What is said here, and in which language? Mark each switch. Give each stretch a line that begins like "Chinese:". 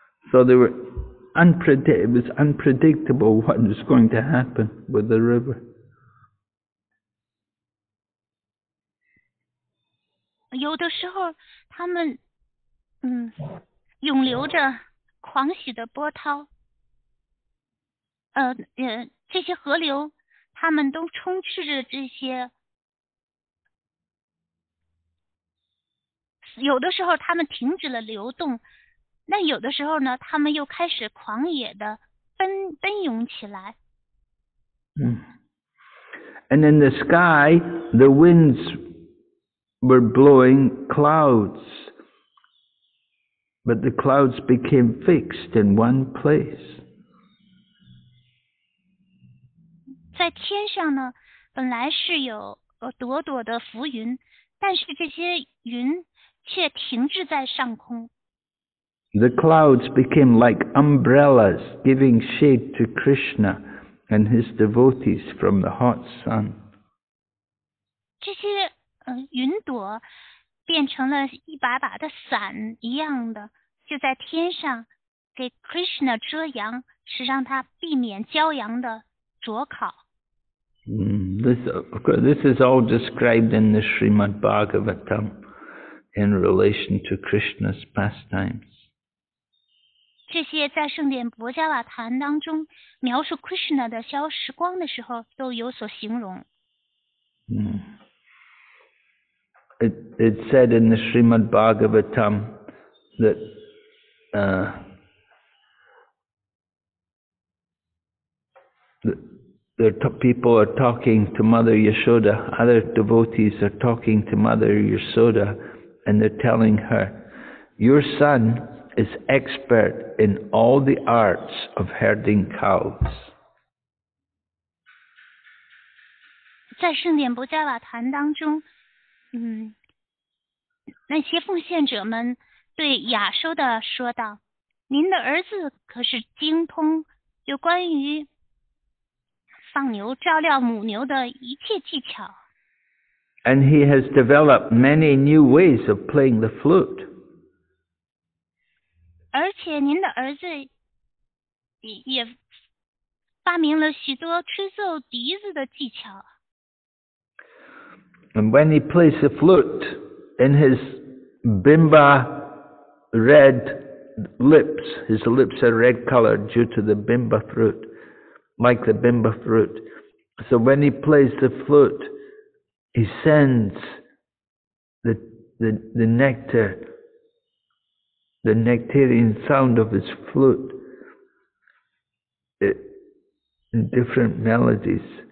English: So they were it was unpredictable what was going to happen with the river.
Chinese: 有的时候，他们，涌流着狂喜的波涛。这些河流，它们都充斥着这些。有的时候，它们停止了流动，那有的时候呢，它们又开始狂野的奔涌起来。
English: And in the sky, the winds were blowing clouds, but the clouds became fixed in one place.
Chinese: 在天上呢，本来是有朵朵的浮云，但是这些云却停滞在上空。
English: The clouds became like umbrellas, giving shade to Krishna and his devotees from the hot sun.
Chinese: 这些云朵变成了一把把的伞一样的，就在天上给 Krishna 遮阳，是让他避免骄阳的灼烤。
English: This is all described in the Srimad Bhagavatam in relation to Krishna's pastimes.
Chinese: 这些在圣殿博加瓦坛当中描述 Krishna 的消失光的时候都有所形容。
English: It said in the Srimad Bhagavatam that people are talking to Mother Yashoda, other devotees are talking to Mother Yashoda, and they're telling her, your son is expert in all the arts of herding cows.
Chinese: 在圣殿博加瓦坛当中，那些奉献者们对亚修达说道，您的儿子可是精通有关于放牛、照料母牛的一切技巧。
English: And he has developed many new ways of playing the flute.
Chinese: 而且您的儿子也发明了许多吹奏笛子的技巧。
English: And when he plays the flute in his bimba red lips, his lips are red colored due to the bimba fruit. Like the bimba fruit. So when he plays the flute, he sends the nectar, the nectarian sound of his flute in different melodies.